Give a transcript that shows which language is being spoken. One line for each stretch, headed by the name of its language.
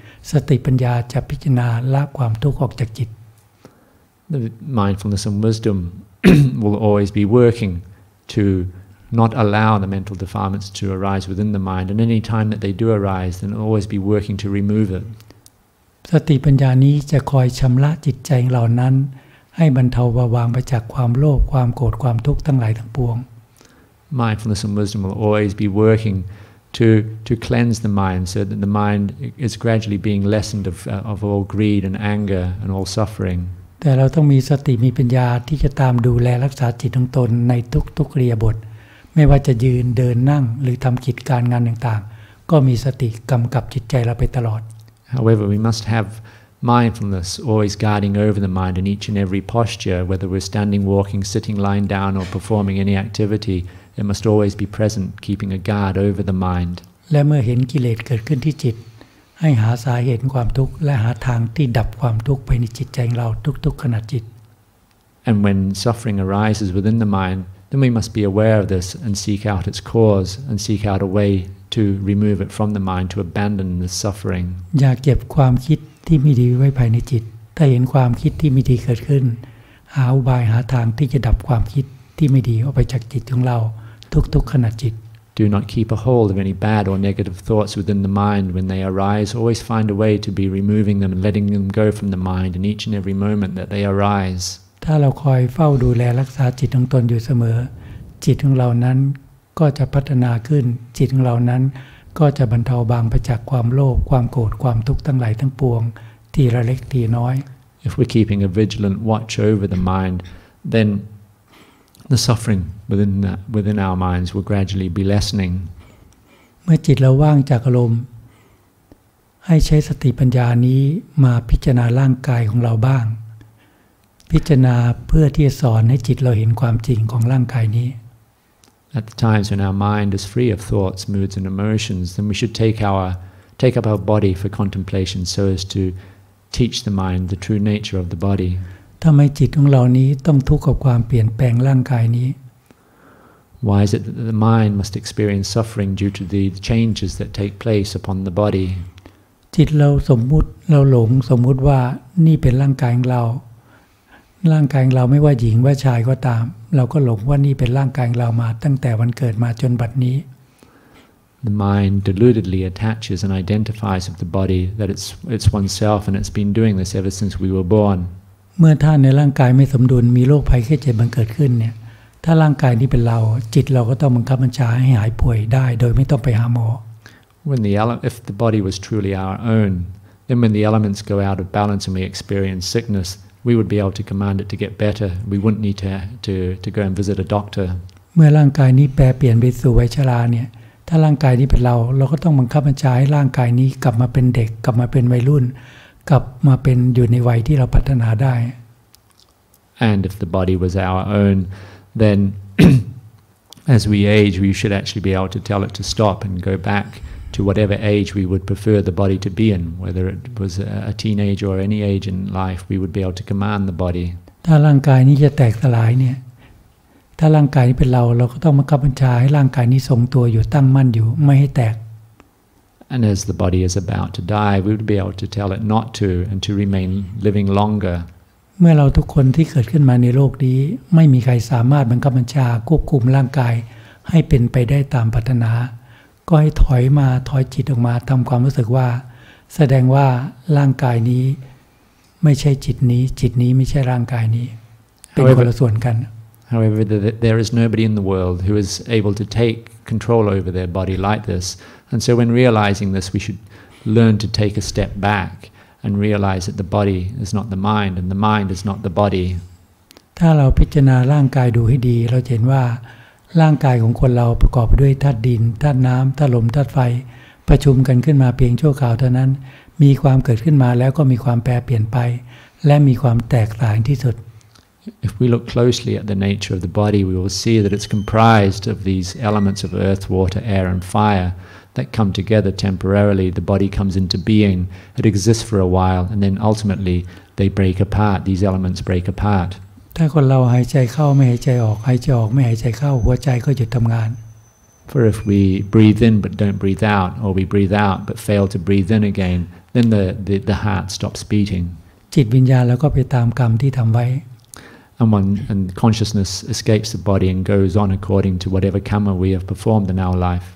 Thai: สติปัญญาจะพิจารณาละความทุกข์ออกจากจิต
English: The mindfulness and wisdom will always be working to not allow the mental defilements to arise within the mind and any time that they do arise then always be working to remove it
Thai: สติปัญญานี้จะคอยชำระจิตใจเหล่านั้นให้บรรเทาเบาบางไปจากความโลภความโกรธความทุกข์ทั้งหลายทั้งปวง
English: Mindfulness and wisdom will always be workingto cleanse the mind so that the mind is gradually being lessened of all greed and anger and all suffering
Thai: แต่เราต้องมีสติมีปัญญาที่จะตามดูแลรักษาจิตของตนในทุกๆเรียบทไม่ว่าจะยืนเดินนั่งหรือทำกิจการงานต่างๆก็มีสติกำกับจิตใจเราไปตลอด
English: However we must have mindfulness always guarding over the mind in each and every posture whether we're standing walking sitting lying down or performing any activityIt must always be present, keeping a guard over the mind.
Thai: และเมื่อเห็นกิเลสเกิดขึ้นที่จิตให้หาสาเหตุความทุกข์และหาทางที่ดับความทุกข์ไปในจิตใจของเราทุกๆขณะจิต
English: And when suffering arises within the mind, then we must be aware of this and seek out its cause and seek out a way to remove it from the mind to abandon the suffering.
Thai: อย่าเก็บความคิดที่ไม่ดีไว้ภายในจิตถ้าเห็นความคิดที่ไม่ดีเกิดขึ้นหาอุบายหาทางที่จะดับความคิดที่ไม่ดีออกไปจากจิตของเราทุกๆขณะจิต
English: Do not keep a hold of any bad or negative thoughts within the mind when they arise always find a way to be removing them and letting them go from the mind in each and every moment that they arise
Thai: ถ้าเราคอยเฝ้าดูแลรักษาจิตของตนอยู่เสมอจิตของเรานั้นก็จะพัฒนาขึ้นจิตของเรานั้นก็จะบรรเทาบางไปจากความโลภความโกรธความทุกข์ทั้งหลายทั้งปวงทีละเล็กทีน้อย
English: If we're keeping a vigilant watch over the mind thenThe suffering within our minds will gradually be lessening.
Thai: เมื่อจิตเราว่างจากอารมณ์ให้ใช้สติปัญญานี้มาพิจารณาร่างกายของเราบ้างพิจารณาเพื่อที่จะสอนให้จิตเราเห็นความจริงของร่างกายนี้
English: At the times when our mind is free of thoughts, moods, and emotions, then we should take up our body for contemplation so as to teach the mind the true nature of the body.
Thai: ทำไมจิตของเรานี้ต้องทุกข์กับความเปลี่ยนแปลงร่างกายนี้
English: Why is it that the mind must experience suffering due to the changes that take place upon the body
Thai: จิตเราสมมุติเราหลงสมมุติว่านี่เป็นร่างกายของเราร่างกายของเราไม่ว่าหญิงว่าชายก็ตามเราก็หลงว่านี่เป็นร่างกายของเรามาตั้งแต่วันเกิดมาจนบัดนี้
English: The mind deludedly attaches and identifies with the body that it's oneself and it's been doing this ever since we were born
Thai: เมื่อท่านในร่างกายไม่สมดุลมีโรคภัยแค่เจ็บมันเกิดขึ้นเนี่ยถ้าร่างกายนี้เป็นเราจิตเราก็ต้องบังคับบัญชาให้หายป่วยได้โดยไม่ต้องไปหาหมอ
English: When the if the body was truly our own then when the elements go out of balance and we experience sickness we would be able to command it to get better we wouldn't need to go and visit a doctor
Thai: เมื่อร่างกายนี้แปรเปลี่ยนไปสู่วัยชราเนี่ยถ้าร่างกายนี้เป็นเราเราก็ต้องบังคับบัญชาให้ร่างกายนี้กลับมาเป็นเด็กกลับมาเป็นวัยรุ่นกลับมาเป็นอยู่ในวัยที่เราพัฒนาได้
English: And if the body was our own then as we age we should actually be able to tell it to stop and go back to whatever age we would prefer the body to be in whether it was a teenager or any age in life we would be able to command the body
Thai: ถ้าร่างกายนี้จะแตกสลายเนี่ยถ้าร่างกายนี้เป็นเราเราก็ต้องมาบัญชาให้ร่างกายนี้ทรงตัวอยู่ตั้งมั่นอยู่ไม่ให้แตก
English: And as the body is about to die, we would be able to tell it not to and to remain living longer.
Thai: เมื่อเราทุกคนที่เกิดขึ้นมาในโลกนี้ไม่มีใครสามารถบังคับบัญชาควบคุมร่างกายให้เป็นไปได้ตามปรารถนาก็ให้ถอยมาถอยจิตออกมาทำความรู้สึกว่าแสดงว่าร่างกายนี้ไม่ใช่จิตนี้จิตนี้ไม่ใช่ร่างกายนี้เป็นคนละส่วนกัน
English: However, there is nobody in the world who is able to take control over their body like this. And so when realizing this, we should learn to take a step back and realize that the body is not the mind and the mind is not the body.
Thai: ถ้าเราพิจารณาร่างกายดูให้ดีเราจะเห็นว่าร่างกายของคนเราประกอบด้วยธาตุดินธาตุน้ำธาตุลมธาตุไฟประชุมกันขึ้นมาเพียงชั่วคราวเท่านั้นมีความเกิดขึ้นมาแล้วก็มีความแปรเปลี่ยนไปและมีความแตกต่างที่สุด
English: If we look closely at the nature of the body, we will see that it's comprised of these elements of earth, water, air, and fire that come together temporarily. The body comes into being, it exists for a while, and then ultimately they break apart. These elements break apart.
Thai: ถ้าคนเราหายใจเข้าไม่หายใจออกหายใจออกไม่หายใจเข้าหัวใจก็หยุดทำงาน
English: For if we breathe in but don't breathe out, or we breathe out but fail to breathe in again, then the heart stops beating.
Thai: จิตวิญญาณแล้วก็ไปตามกรรมที่ทำไว้
English: And consciousness escapes the body and goes on according to whatever karma we have performed in our life.